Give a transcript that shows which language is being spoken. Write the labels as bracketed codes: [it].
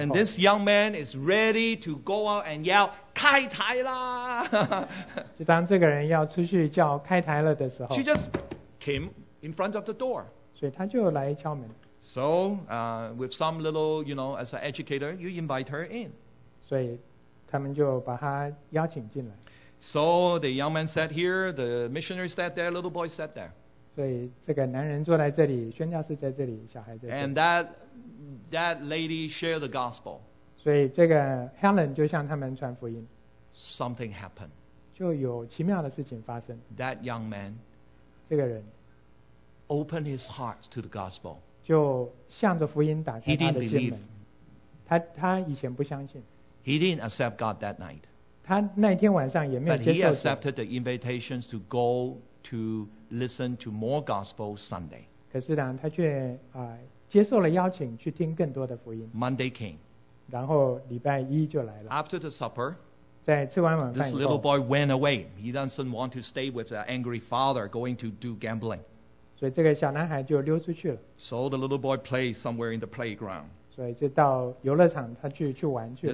[en] When this young man is ready to go out and yell. [zh] 开台啦！就当这个人要出去叫开台了的时候 [en] ，She just came in front of the door. [zh] 所以他就来敲门。 [en] So, with some little, you know, as an educator, you invite her in. [zh] 所以他们就把他邀请进来。 [en] So the young man sat here, the missionary sat there, little boy sat there. [zh] 所以这个男人坐在这里，宣教士在这里，小孩在这里。 [en] And that lady shared the gospel. [zh] 所以这个 Helen 就向他们传福音。 [en] Something happened. [zh] 就有奇妙的事情发生。 [en] That young man, [zh] 这个人 [en] opened his heart to the gospel. [zh] 就向着福音打开他的心门。 [en] He didn't believe. [zh] 他以前不相信。 [en] He didn't accept God that night. [zh] 他那天晚上也没有接受。 [en] But he accepted the invitations to go to listen to more gospel Sunday. [zh] 可是呢，他却接受了邀请去听更多的福音。 [en] Monday came. [zh] 然后礼拜一就来了。 [en] After the supper, [zh] 在吃完晚饭以后 [en] this little boy went away. He doesn't want to stay with the angry father going to do gambling. [zh] 所以这个小男孩就溜出去了。 [en] So the little boy plays somewhere in the playground. [zh] 所以就到游乐场他去玩去了。